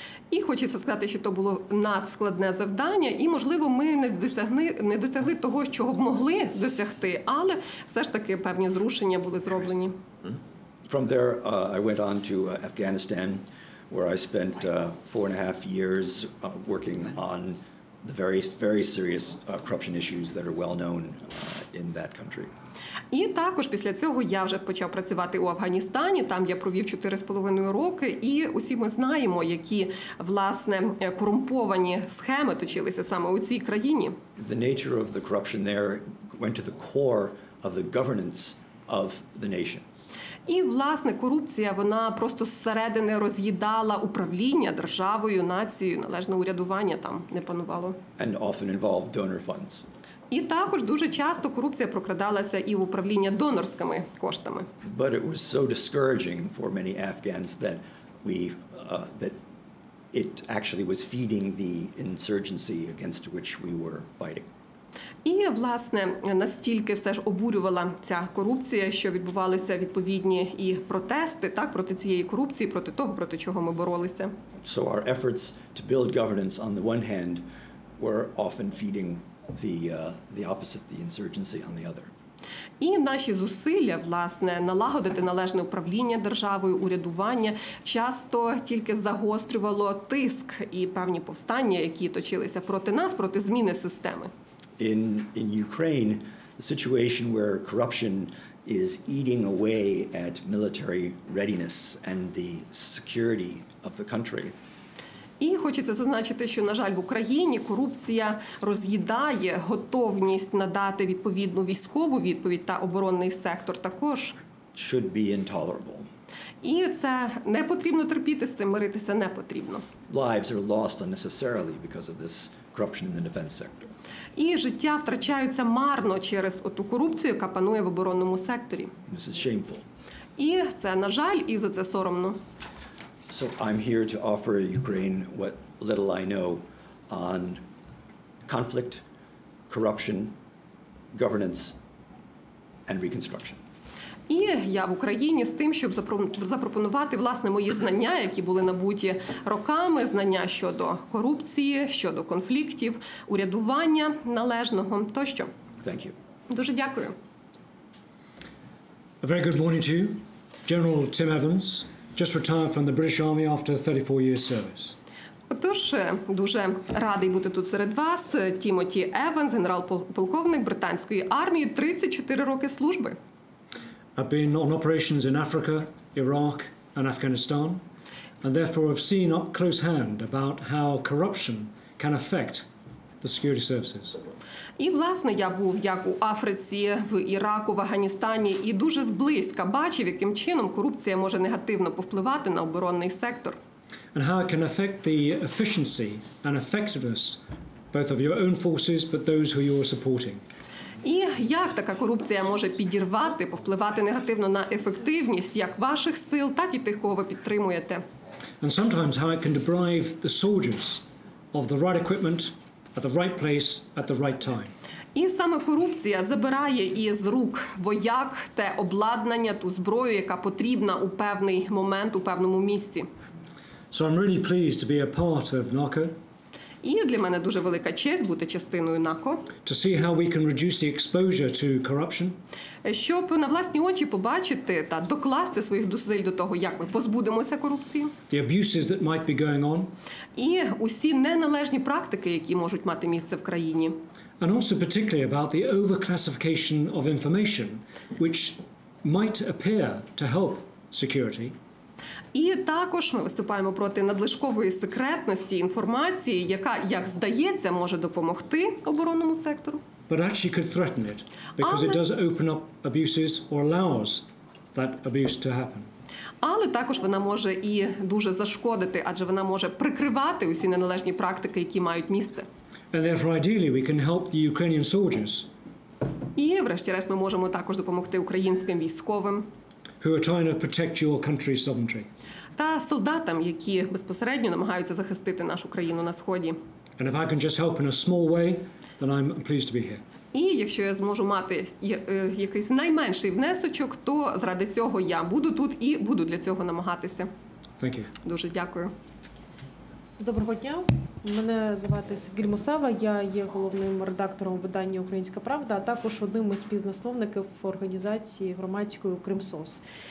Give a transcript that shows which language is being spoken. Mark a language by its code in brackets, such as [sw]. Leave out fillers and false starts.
[uk] І хочеться сказати, що то було надскладне завдання, і, можливо, ми не досягли того, чого б могли досягти, але все ж таки певні зрушення були зроблені. [en] From there, I went on to Afghanistan, where I spent 4.5 years working on the very, very serious corruption issues that are well known in that country. [uk] І також після цього я вже почав працювати у Афганістані. Там я провів 4.5 роки, і усі ми знаємо, які власне корумповані схеми точилися саме у цій країні. [en] The nature of the corruption there went to the core of the governance of the nation. [uk] І власне корупція вона просто зсередини роз'їдала управління державою, нацією, належне урядування там не панувало. [en] And often involved donor funds. [uk] І також дуже часто корупція прокрадалася і в управління донорськими коштами. [en] But it was so discouraging for many Afghans that that it actually was feeding the insurgency against which we were fighting. [uk] І, власне, настільки все ж обурювала ця корупція, що відбувалися відповідні і протести, так, проти цієї корупції, проти того, проти чого ми боролися. [en] So our efforts to build governance on the one hand were often feeding the opposite, the insurgency on the other. [uk] І наші зусилля, власне, налагодити належне управління державою, урядування, часто тільки загострювало тиск і певні повстання, які точилися проти нас, проти зміни системи. [en] In Ukraine, the situation where corruption is eating away at military readiness and the security of the country. [uk] І хочеться зазначити, що, на жаль, в Україні корупція роз'їдає готовність надати відповідну військову відповідь та оборонний сектор також. [en] Should be intolerable. [uk] І це не потрібно терпіти, з цим миритися не потрібно. [en] Lives are lost unnecessarily because of this corruption in the defense sector. [uk] І життя втрачаються марно через оту корупцію, яка панує в оборонному секторі. [en] This is shameful. [uk] І це, на жаль, і за це соромно. [en] So I'm here to offer Ukraine what little I know on conflict, corruption, governance and reconstruction. [uk] І я в Україні з тим, щоб запропонувати, власне, мої знання, які були набуті роками, знання щодо корупції, щодо конфліктів, урядування належного тощо. [en] Thank you. [uk] Дуже дякую. [en] A very good morning to you. General Tim Evans, just retired from the British Army after 34 years service. [uk] Отож, дуже радий бути тут серед вас. Тімоті Евенс, генерал-полковник британської армії, 34 роки служби. [en] I've been on operations in Africa, Iraq, and Afghanistan, and therefore have seen up close hand about how corruption can affect the security services. [uk] І, власне, я був як у Африці, в Іраку, в Афганістані, і дуже зблизька бачив, яким чином корупція може негативно повпливати на оборонний сектор. [en] And how it can affect the efficiency and effectiveness both of your own forces, but those who you are supporting. [uk] І як така корупція може підірвати, повпливати негативно на ефективність як ваших сил, так і тих, кого ви підтримуєте. [en] And sometimes how it can deprive the soldiers of the right equipment at the right place at the right time. [uk] І саме корупція забирає із рук вояк те обладнання, ту зброю, яка потрібна у певний момент, у певному місці. [en] So I'm really pleased to be a part of NACO. [uk] І для мене дуже велика честь бути частиною НАКО. [en] To see how we can reduce the exposure to corruption. [uk] Щоб на власні очі побачити та докласти своїх зусиль до того, як ми позбудемося корупції. [en] The abuses that might be going on. [uk] І усі неналежні практики, які можуть мати місце в країні. [en] And also particularly about the overclassification of information, which might appear to help security. [uk] І також ми виступаємо проти надлишкової секретності інформації, яка, як здається, може допомогти оборонному сектору. [en] But actually could threaten it, because it does open up abuses or allows that abuse to happen. [uk] Але також вона може і дуже зашкодити, адже вона може прикривати усі неналежні практики, які мають місце. [en] And therefore, ideally, we can help the Ukrainian soldiers. [uk] І врешті-решт ми можемо також допомогти українським військовим. [en] Who are trying to protect your country's sovereignty. [uk] Та солдатам, які безпосередньо намагаються захистити нашу країну на сході. [en] And if I can just help in a small way, then I'm pleased to be here. [uk] І якщо я зможу мати якийсь найменший внесочок, то заради цього я буду тут і буду для цього намагатися. [en] Thank you. [uk] Дуже дякую. Доброго дня. Мене звати Сергій Мусава, я є головним редактором видання «Українська правда», а також одним із співзасновників організації громадської «Кримсос».